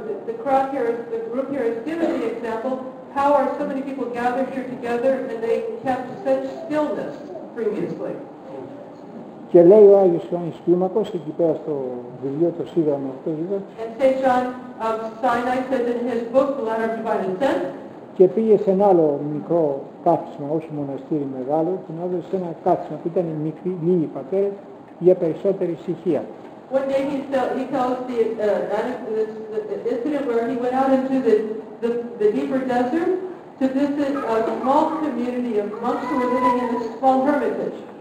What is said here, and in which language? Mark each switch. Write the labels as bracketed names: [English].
[English] The crowd here, the group here has given the example, how are so many people gathered here together and they kept such stillness previously. [Greek] Και λέει ο Άγιος Ιωάννης Κλίμακος εκεί πέρα στο βιβλίο το Σύγγραμμα αυτό είδα. [English] And St. John of Sinai says in his book, The Letter of Divine Intent. [Greek] Και πήγε σε ένα άλλο μικρό κάθισμα, όχι μοναστήρι μεγάλο, τον έδωσε σε ένα κάθισμα που ήταν μικροί, λίγοι πατέρες για περισσότερη ησυχία. [English] One day he tells the incident where he went out into the deeper desert to visit a small community of monks who were living in this small hermitage.